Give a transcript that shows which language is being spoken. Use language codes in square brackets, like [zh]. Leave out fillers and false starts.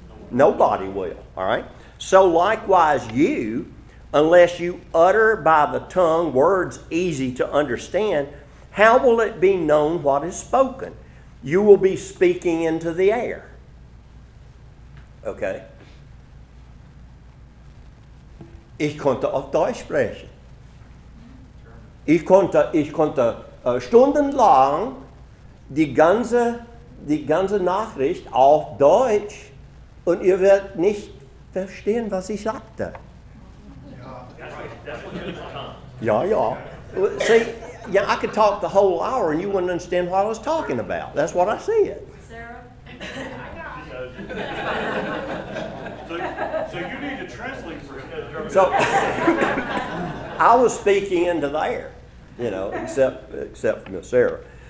[en] Nobody will, all right? So likewise you, unless you utter by the tongue words easy to understand, how will it be known what is spoken? You will be speaking into the air. Okay? [de] Ich konnte auf Deutsch sprechen. Ich konnte stundenlang die ganze Nachricht auf Deutsch, und ihr werdet nicht verstehen, was ich sagte. Ja, ja. [en] See, yeah, I could talk the whole hour and you wouldn't understand what I was talking about. That's what I said. Sarah, I got it. So you need to translate for him. So I was speaking into the air, you know, except for Miss Sarah.